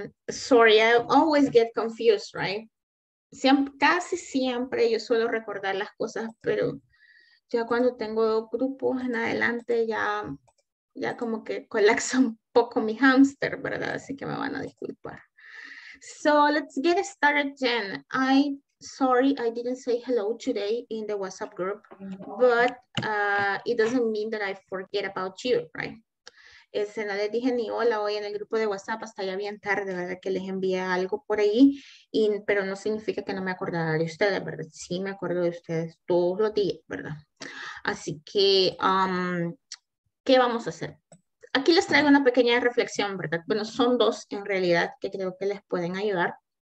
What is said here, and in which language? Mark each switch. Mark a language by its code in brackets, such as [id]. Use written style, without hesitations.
[en] Sorry, I always get confused, right? [es] Casi siempre yo suelo recordar las cosas, pero ya cuando tengo dos grupos en adelante, ya como que colapsa un poco mi hámster, ¿verdad? Así que me van a disculpar. [en] So, let's get started, Jen. Sorry, I didn't say hello today in the WhatsApp group, but it doesn't mean that I forget about you, right? [es] No les dije ni hola hoy en el grupo de WhatsApp, hasta ya bien tarde, ¿verdad? Que les envié algo por ahí, pero no significa que no me acordara de ustedes, ¿verdad? Sí, me acuerdo de ustedes todos los días, ¿verdad? Así que, ¿qué vamos a hacer? Aquí les traigo una pequeña reflexión, ¿verdad? Bueno, son dos en realidad que creo que les pueden ayudar.